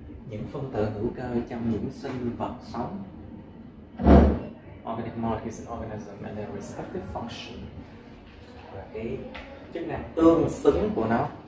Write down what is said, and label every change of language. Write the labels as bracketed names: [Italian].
[Vietnamese] Những phân tử hữu cơ trong những sinh vật sống. [English] Organic molecules in organism and their respective function. [Vietnamese] Và cái chức năng tương xứng của nó.